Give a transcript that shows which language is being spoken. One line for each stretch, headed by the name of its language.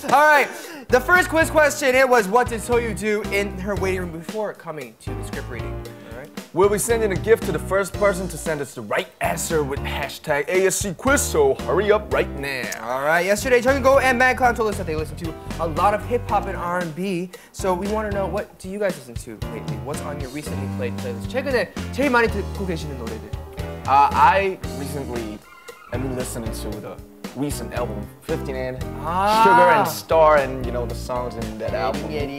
English: All right, the first quiz question, it was, what did Soyu do in her waiting room before coming to the script reading? All right. We'll be sending a gift to the first person to send us the right answer with hashtag ASC quiz, so hurry up right now. All right, yesterday, Jungkook and Madcloud told us that they listen to a lot of hip-hop and R&B, so we want to know, what do you guys listen to lately? What's on your recently played playlist?
Korean: 최근에 제일 많이 듣고 계시는 노래들.
English: I recently am listening to the recent album, 59, Sugar and Star, and you know the songs in that album.